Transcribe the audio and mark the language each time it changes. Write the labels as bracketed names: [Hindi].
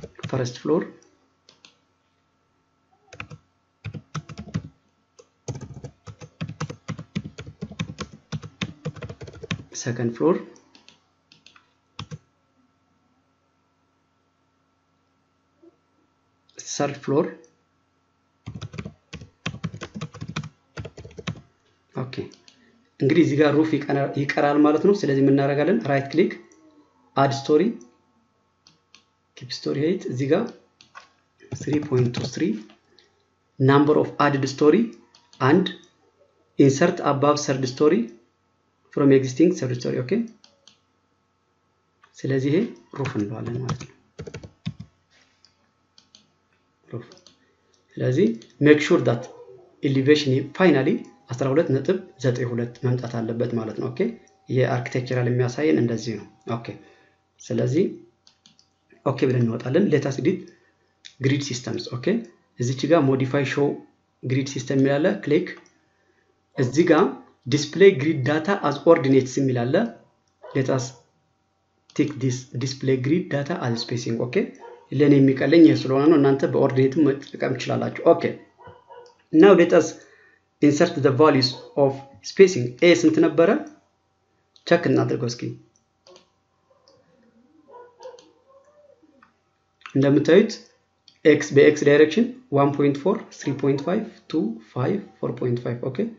[English] ፈርስት ፍሎር ሰከንድ ፍሎር third floor. [Amharic] Okay እንግዲህ እዚህ ጋር roof ይቀራል ማለት ነው። ስለዚህ ምን እናደርጋለን? [English] right click add story keep story height [Amharic] እዚህ ጋር [English] 3.23 number of added story and insert above third story from existing third story. [Amharic] Okay ስለዚህ ይሄ roof እንለዋለን ማለት ነው። ስለዚህ [English] make sure that elevation is finally 12.92 [Amharic] መምጣት አለበት ማለት ነው። ኦኬ የአርክቴክቸራል የሚያሳየን እንደዚህ ነው። ኦኬ ስለዚህ ኦኬ ብለን እንወጣለን። [English] let us edit grid systems. ኦኬ [Amharic] እዚች ጋር [English] modify show grid system [Amharic] ይላል [English] click [Amharic] እዚ ጋር [English] display grid data as ordinates ይላል let us tick this display grid data as spacing. [Amharic] ኦኬ ለኔ የሚቀለኝ የስለሆነ ነው። እናንተ በኦርዲኔት መጠቀም ይችላልላችሁ። ኦኬ ናው [English] let us insert the values of spacing [Amharic] a ስንት ነበር? ቼክ እናድርገው እስኪ። እንደምታዩት x በx direction 1.4 3.5 2 5 4.5 ኦኬ